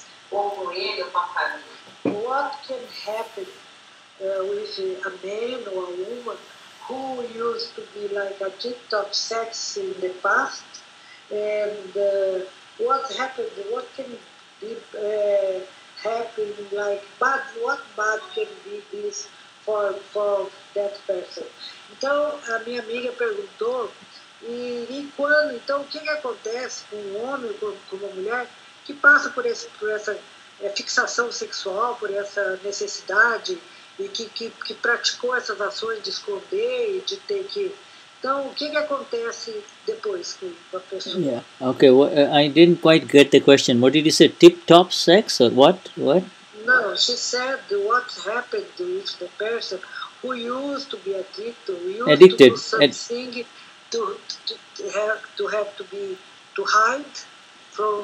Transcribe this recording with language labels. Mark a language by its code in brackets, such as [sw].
[en] what can happen with a man or a woman who used to be like a addict of sex in the past, and what happened, what can be happen, like bad, what bad can be this for that person? [pt] Então, a minha amiga perguntou, então, o que acontece com um homem, com uma mulher, que passa por essa fixação sexual, por essa necessidade, e que praticou essas ações de esconder e de ter que Então, o que que acontece depois com a pessoa? [en] Yeah. Okay, well, I didn't quite get the question. What did you say? Tip-top sex or what? What? No, she said what happened with the person who used to be addicted. To do something to hide from.